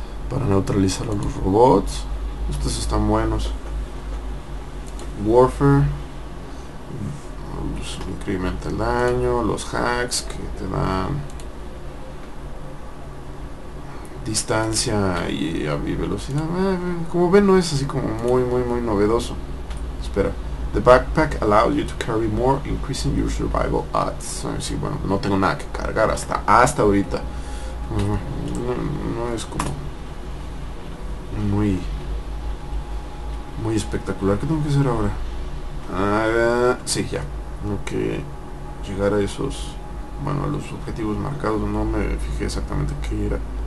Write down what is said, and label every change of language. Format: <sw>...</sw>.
<es>Para neutralizar a los robots. Estos están buenos. Warfare. Los incrementa el daño. Los hacks que te dan distancia y velocidad. Como ven, no es así como muy, muy, muy novedoso. Espera.</es> <en>The backpack allows you to carry more, increasing your survival odds.</en> <es>Sí, bueno, no tengo nada que cargar hasta ahorita. No es como muy. Muy espectacular. ¿Qué tengo que hacer ahora? Sí, ya. lo que llegar a esos, bueno, a los objetivos marcados, no me fijé exactamente qué era.</es>